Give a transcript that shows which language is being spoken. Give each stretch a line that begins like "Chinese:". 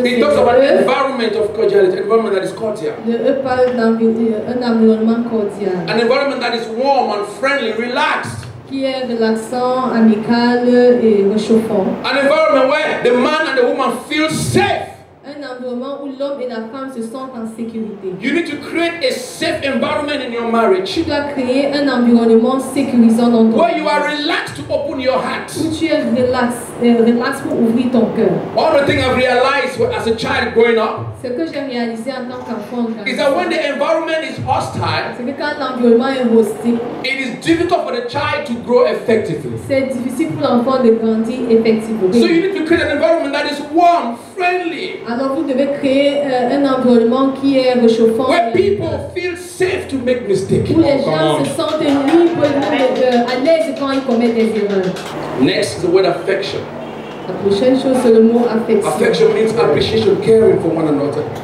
English: it talks about an environment of cordiality, an environment that is cordial.
French: Le E parle d'un environnement cordial.
English: An environment that is warm and friendly, relaxed.
French: Qui est relaxant, amical et réchauffant.
English: An environment where the man and the woman feel safe.
French: Un environnement où l'homme et la femme se sentent en sécurité.
English: You need to create a safe environment in your marriage.
French: Tu dois créer un environnement sécurisant dans ton couple.
English: Where you are relaxed to open your heart.
French: Où tu es relax pour ouvrir ton cœur.
English: All the things I've realized as a child growing up.
French: Ce que j'ai réalisé en tant qu'enfant.
English: Is that when the environment is hostile.
French: C'est que quand l'environnement est hostile.
English: It is difficult for the child to grow effectively.
French: C'est difficile pour l'enfant de grandir effectivement.
English: So you need to create an environment that is warm, friendly.
French: Alors vous devez créer un environnement qui est réchauffant.
English: Where people feel safe to make mistakes.
French: Où les gens se sentent libres à l'aise quand ils commettent des erreurs.
English: Next is the word affection.
French: La prochaine chose c'est le mot affection.
English: Affection means appreciation, caring for one another.